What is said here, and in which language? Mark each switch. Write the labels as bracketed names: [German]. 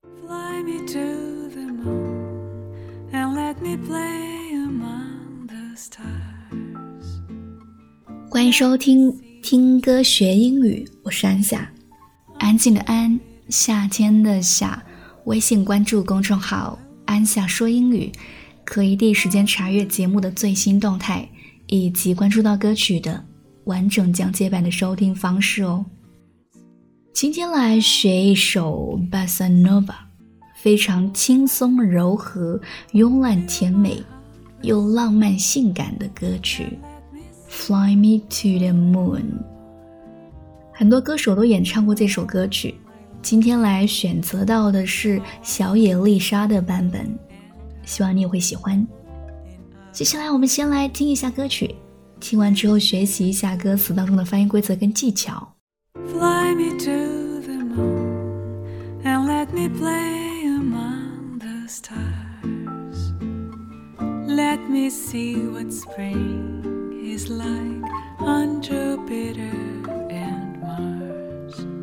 [English] me to the moon and let me play among the stars. [Chinese] 欢迎收听听歌学英语，我是安夏，安静的安，夏天的夏。微信关注公众号安夏说英语，可以第一时间查阅节目的最新动态，以及关注到歌曲的完整讲解版的收听方式哦。今天来学一首 Bossa Nova， 非常轻松柔和、慵懒甜美又浪漫性感的歌曲 Fly Me to the Moon。很多歌手都演唱过这首歌曲，今天来选择到的是小野丽莎的版本，希望你也会喜欢。接下来我们先来听一下歌曲，听完之后学习一下歌词当中的发音规则跟技巧。 [English] Fly me to the moon and let me play among the stars. Let me see what spring is like on Jupiter and Mars.